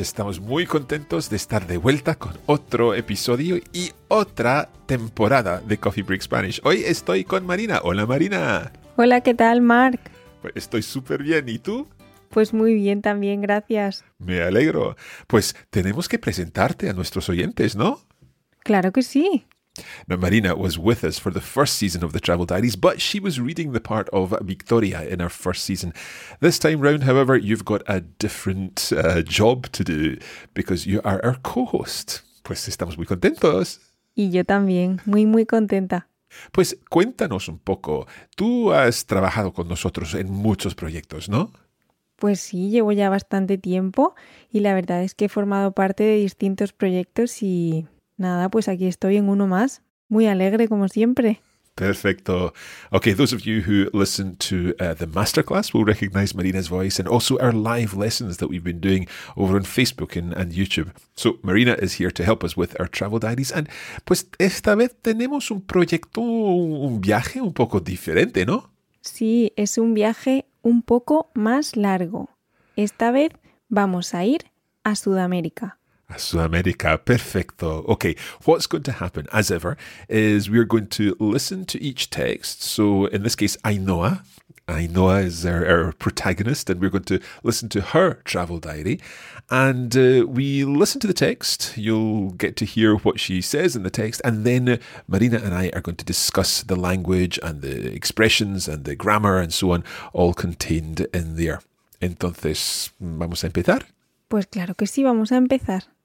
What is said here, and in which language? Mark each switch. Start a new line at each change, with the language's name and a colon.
Spanish: Estamos muy contentos de estar de vuelta con otro episodio y otra temporada de Coffee Break Spanish. Hoy estoy con Marina. Hola, Marina. Hola, ¿qué tal, Mark? Estoy súper bien. ¿Y tú? Pues muy bien también, gracias. Me alegro. Pues tenemos que presentarte a nuestros oyentes, ¿no? Claro que sí.
English: Now, Marina was with us for the first season of the Travel Diaries, but she was reading the part of Victoria in our first season. This time round, however, you've got a different job to do because you are our co-host.
Spanish: Pues estamos muy contentos. Y yo también, muy, muy contenta. Pues cuéntanos un poco. Tú has trabajado con nosotros en muchos proyectos, ¿no? Pues sí, llevo ya bastante tiempo y la verdad es que he formado parte de distintos proyectos y... Nada, pues aquí estoy en uno más. Muy alegre, como siempre. Perfecto.
English: Okay, those of you who listen to the masterclass will recognize Marina's voice and also our live lessons that we've been doing over on Facebook and YouTube. So Marina is here to help us with our travel diaries.
Spanish: And pues esta vez tenemos un proyecto, un viaje un poco diferente, ¿no? Sí, es un viaje un poco más largo. Esta vez vamos a ir a Sudamérica. Sudamérica, perfecto.
English: Okay, what's going to happen, as ever, is we're going to listen to each text. So in this case, Ainhoa. Ainhoa is our protagonist, and we're going to listen to her travel diary. And we listen to the text. You'll get to hear what she says in the text. And then Marina and I are going to discuss the language and the expressions and the grammar and so on, all contained in there.
Spanish: Entonces, ¿vamos a empezar? Pues claro que sí, vamos a empezar.